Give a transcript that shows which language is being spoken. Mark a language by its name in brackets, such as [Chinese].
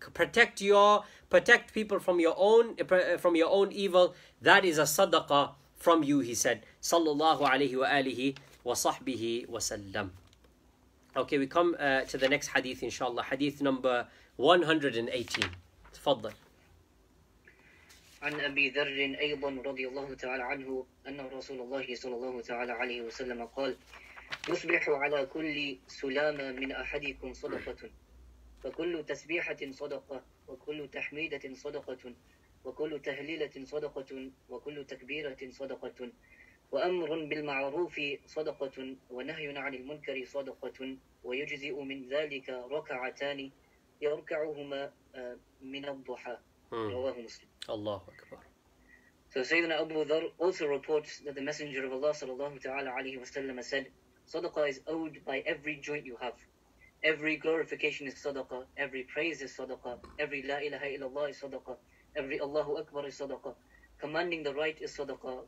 [English] Protect people from your own evil. That is a sadaqah from you, he said. Sallallahu alayhi wa alihi wa sahbihi wa sallam. Okay, we come to the next hadith, inshallah. Hadith number 118. Tafaddal. [Arabic] عن أبي ذر أيضا رضي الله تعالى عنه أن رسول الله صلى الله تعالى عليه وسلم قال يصبح على كل سلامة من أحدكم صدقة فكل تسبيحة صدقة وكل تحميدة صدقة وكل تهليلة صدقة وكل تكبيرة صدقة وأمر بالمعروف صدقة ونهي عن المنكر صدقة ويجزئ من ذلك ركعتان يركعهما من الضحى رواه مسلم. Allahu Akbar. [English] So Sayyidina Abu Dharr also reports that the Messenger of Allah sallallahu ta'ala alayhi wa sallam said, Sadaqah is owed by every joint you have. Every glorification is Sadaqah. Every praise is Sadaqah. Every La ilaha illallah is Sadaqah. Every Allahu Akbar is Sadaqah. Commanding the right is Sadaqah.